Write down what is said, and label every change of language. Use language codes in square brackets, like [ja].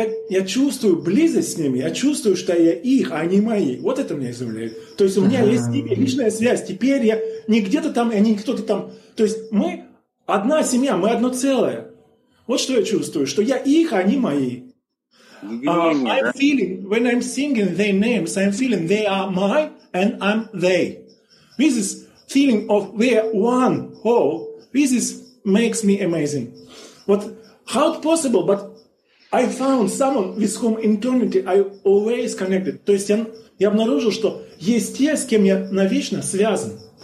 [ru] я чувствую близость с ними, я чувствую, что я их, а не мои. Вот это меня изумляет. То есть у меня есть с ними личная связь. Теперь я не где-то там, а не кто-то там. То есть мы одна семья, мы одно целое. Вот что я чувствую, что я их, а не мои. [en] I'm feeling, when I'm singing their names, I'm feeling they are my and I'm they. This is feeling of we're one whole. This is makes me amazing. But how possible? But I found someone with whom in eternity I always connected. [ru] То есть я обнаружил, что есть те, с кем я навечно связан.